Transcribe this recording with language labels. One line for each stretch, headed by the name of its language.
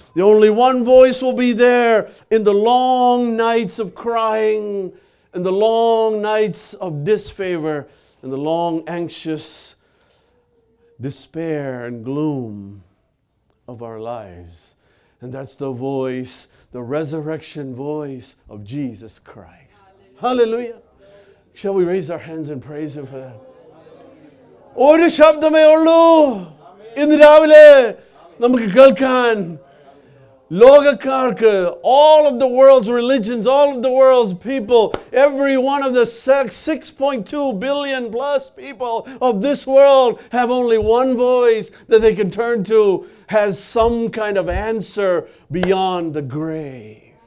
English: The only one voice will be there in the long nights of crying, in the long nights of disfavor, in the long anxious despair and gloom of our lives. And that's the voice, the resurrection voice of Jesus Christ. Hallelujah. Hallelujah. Shall we raise our hands in praise of Him?
Malayalam: ഒരു ശബ്ദമേ ഉള്ളൂ ഇന്ന് രാവിലെ നമുക്ക് കേൾക്കാൻ. ലോകക്കാർക്ക്,
English: all of the world's religions, all of the world's people, every one of the 6.2 billion plus people of this world have only one voice that they can turn to, has some kind of answer beyond the grave.